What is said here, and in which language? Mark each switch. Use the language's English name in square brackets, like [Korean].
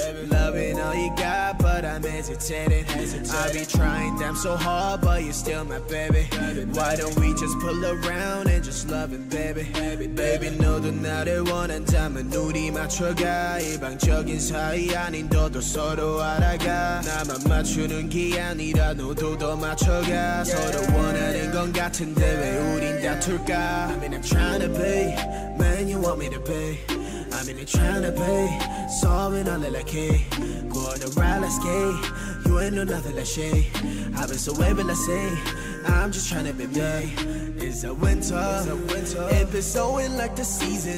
[English] Loving all you got, but I'm hesitating. I be trying damn so hard, but you're still my baby. Why don't we just pull around and just love it, baby? [Korean] Baby, 너도 나를 원한다면 눈이 맞춰가. 일방적인 사이 아닌 너도 서로 알아가. 나만 맞추는 게 아니라 너도 더 맞춰가. 서로 원하는 건 같은데 왜 우린 다툴까? [English] I mean, I'm trying to be, man, you want me to be. I mean, I'm trying to be, solving all that I can. Go on the ride, let's skate. You ain't know nothing like shade. I've been so wavy, let's say. I'm just trying to be me. It's a winter, episode like the season.